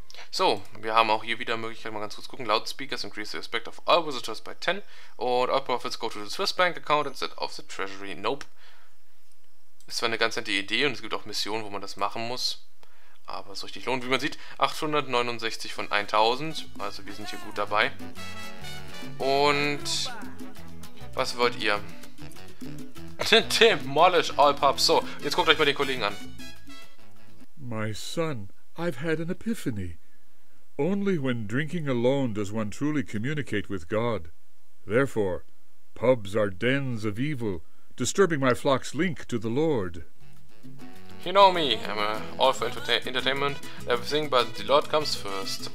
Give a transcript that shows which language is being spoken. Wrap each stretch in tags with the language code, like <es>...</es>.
<de>So, wir haben auch hier wieder Möglichkeit, mal ganz kurz gucken.</de> <en>Loudspeakers increase the respect of all visitors by 10. Und all profits go to the Swiss Bank account instead of the Treasury. Nope.</en> <de>Ist zwar eine ganz nette Idee und es gibt auch Missionen, wo man das machen muss. Aber es ist richtig lohnt, wie man sieht. 869 von 1000. Also wir sind hier gut dabei. Und was wollt ihr?</de> <en>Demolish all pubs.</en> <de>So, jetzt guckt euch mal den Kollegen an.</de> <en>My son, I've had an epiphany. Only when drinking alone does one truly communicate with God. Therefore, pubs are dens of evil, disturbing my flock's link to the Lord. You know me, I'm all for entertainment, everything, but the Lord comes first.</en>